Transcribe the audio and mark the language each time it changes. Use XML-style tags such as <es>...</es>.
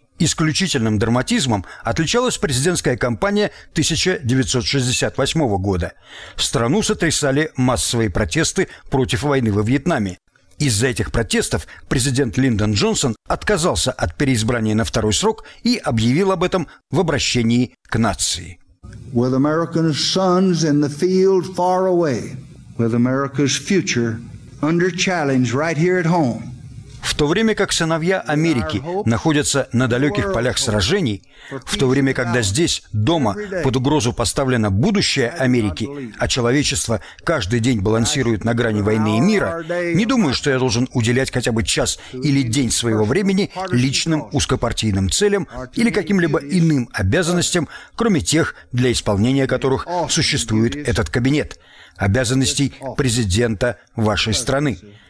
<ru>Исключительным драматизмом отличалась президентская кампания 1968 года. Страну сотрясали массовые протесты против войны во Вьетнаме. Из-за этих протестов президент Линдон Джонсон отказался от переизбрания на второй срок и объявил об этом в обращении к нации.</ru> <en>With America's sons in the field far away, with America's future under challenge right here at home.</en> <ru>то время как сыновья Америки находятся на далеких полях сражений, в то время когда здесь, дома, под угрозу поставлено будущее Америки, а человечество каждый день балансирует на грани войны и мира, не думаю, что я должен уделять хотя бы час или день своего времени личным узкопартийным целям или каким-либо иным обязанностям, кроме тех, для исполнения которых существует этот кабинет, обязанностей президента вашей страны.</ru>